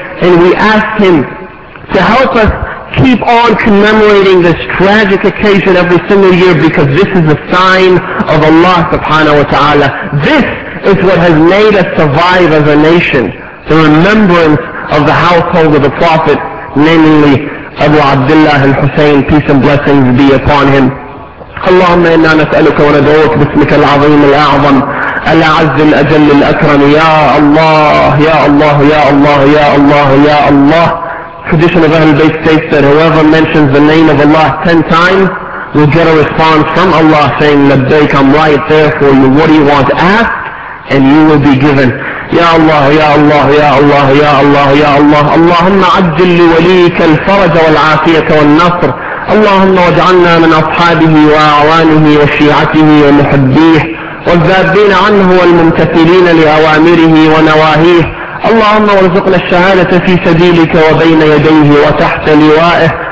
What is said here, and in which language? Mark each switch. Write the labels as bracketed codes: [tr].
[en] And we ask him to help us keep on commemorating this tragic occasion every single year, because this is a sign of Allah subhanahu wa ta'ala. This is what has made us survive as a nation, the remembrance of the household of the Prophet, namely Abu Abdullah al-Hussein, peace and blessings be upon him. [ar] اللهم إنا نسألك وندعوك باسمك العظيم الأعظم الأعز الأجل الأكرم. يا الله يا الله يا الله يا الله يا الله. [en] Tradition of Ahlul Bayt states that whoever mentions the name of Allah 10 times will get a response from Allah saying, "Labbaik, I'm right there for you. What do you want? Ask and you will be given." [ar] يا الله يا الله يا الله يا الله يا الله. اللهم عجل لوليك الفرج والعافية والنصر. اللهم واجعلنا من أصحابه وأعوانه وشيعته ومحبيه والذابين عنه والممتثلين لأوامره ونواهيه. اللهم وارزقنا الشهادة في سبيلك وبين يديه وتحت لوائه.